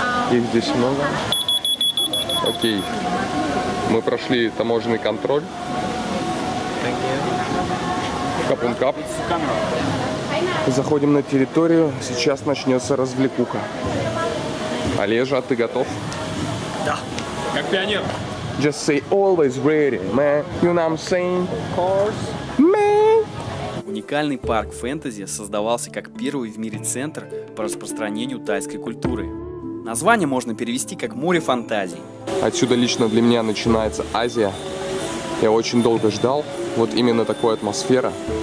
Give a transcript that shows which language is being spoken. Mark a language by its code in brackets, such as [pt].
[ru] Их здесь много. Окей. Мы прошли таможенный контроль. Капун-кап. Заходим на территорию. Сейчас начнется развлекуха. Олежа, ты готов? Да. Как пионер. [en] Just say always ready, man. You know I'm saying? Of course. Man. [ru] Уникальный парк фэнтези создавался как первый в мире центр по распространению тайской культуры. Название можно перевести как «Море фантазий». Отсюда лично для меня начинается Азия. Я очень долго ждал вот именно такой атмосферы.